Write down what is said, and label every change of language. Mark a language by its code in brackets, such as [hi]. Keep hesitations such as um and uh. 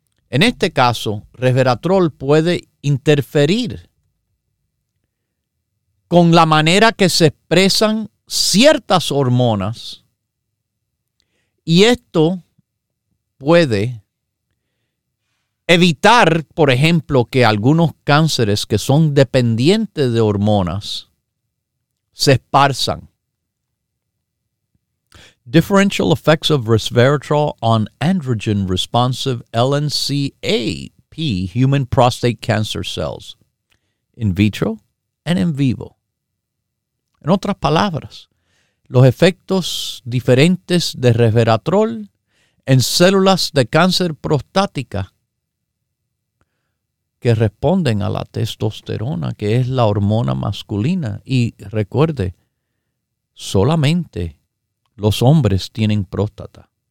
[es] En este caso, resveratrol puede interferir con la manera que se expresan ciertas hormonas y esto puede evitar, por ejemplo, que algunos cánceres que son dependientes de hormonas se esparzan. [en] Differential effects of resveratrol on androgen responsive LNCAP human prostate cancer cells in vitro and in vivo. [es] En otras palabras, los efectos diferentes de resveratrol en células de cáncer prostática que responden a la testosterona, que es la hormona masculina. Y recuerde, solamente los hombres tienen próstata.